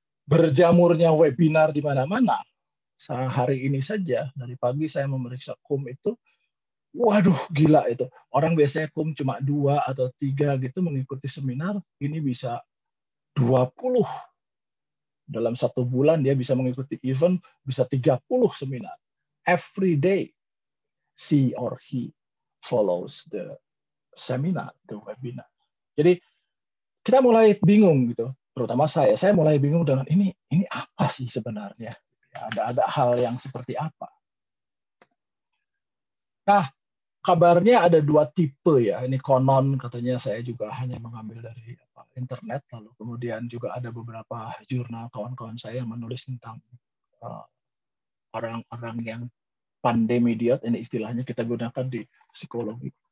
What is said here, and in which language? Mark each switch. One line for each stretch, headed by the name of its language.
Indonesian: Berjamurnya webinar di mana-mana, sehari ini saja, dari pagi saya memeriksa KUM itu, waduh gila itu. Orang biasanya KUM cuma 2 atau 3 gitu mengikuti seminar, ini bisa 20. Dalam satu bulan dia bisa mengikuti event, bisa 30 seminar.
English: Every day, she or he follows the seminar, the webinar.
Indonesian: Jadi kita mulai bingung gitu, terutama saya mulai bingung dengan ini apa sih sebenarnya? Ada hal yang seperti apa? Nah, kabarnya ada dua tipe ya. Ini konon katanya, saya juga hanya mengambil dari internet, lalu kemudian juga ada beberapa jurnal kawan-kawan saya yang menulis tentang orang-orang yang pandemi idiot, ini istilahnya kita gunakan di psikologi.